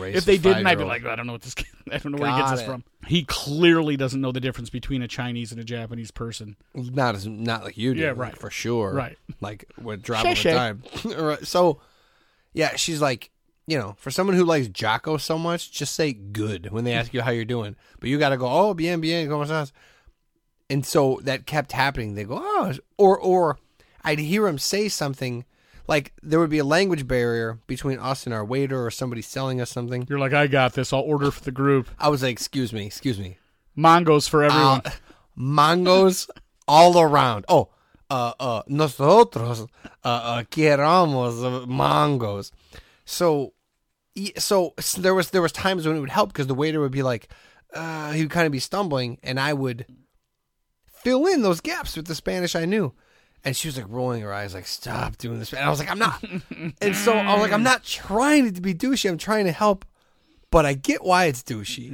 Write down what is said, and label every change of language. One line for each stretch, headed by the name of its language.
English: If they didn't, I'd be like, oh, I don't know where he gets this from. He clearly doesn't know the difference between a Chinese and a Japanese person. Not like you do. Yeah, right. For sure. Right. Like, with drop of a dime. So, yeah, she's like, you know, for someone who likes Jocko so much, just say good when they ask you how you're doing. But you got to go, oh,
Spanish: bien, bien, como estás?
English: And so that kept happening. They go, oh, or I'd hear him say something like there would be a language barrier between us and our waiter or somebody selling us something. You're like, I got this. I'll order for the group. I was like, excuse me. Mangos for everyone. Mangos all around.
Spanish: Oh, nosotros queremos mangos.
English: So there was times when it would help because the waiter would be like, he would kind of be stumbling and I would fill in those gaps with the Spanish I knew. And she was like rolling her eyes like, stop doing this. And I was like, I'm not. And so I was like, I'm not trying to be douchey. I'm trying to help, but I get why it's douchey.